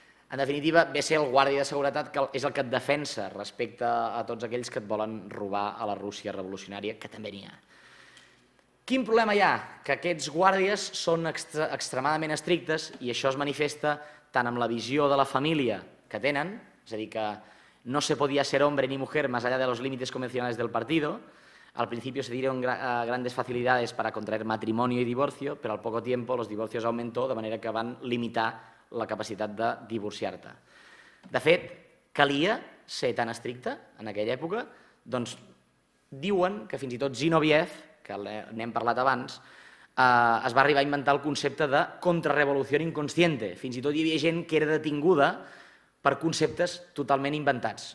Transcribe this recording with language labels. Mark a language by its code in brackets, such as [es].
[ca] En definitiva, ve a ser el guàrdia de seguretat, que és el que et defensa respecte a tots aquells que et volen robar a la Rússia revolucionària, que també n'hi ha. Quin problema hi ha? Que aquests guàrdies són extremadament estrictes, i això es manifesta tant amb la visió de la família que tenen, és a dir, que no se podia ser [es] hombre ni mujer más allá de los límites convencionales del partido. Al principio se dieron grandes facilidades para contraer matrimonio y divorcio, pero al poco tiempo los divorcios aumentó, de manera que [ca] van limitar la capacitat de divorciar-te. De fet, calia ser tan estricte en aquella època? Doncs diuen que fins i tot Zinoviev, que n'hem parlat abans, es va arribar a inventar el concepte de contrarrevolució inconsciente. Fins i tot hi havia gent que era detinguda per conceptes totalment inventats.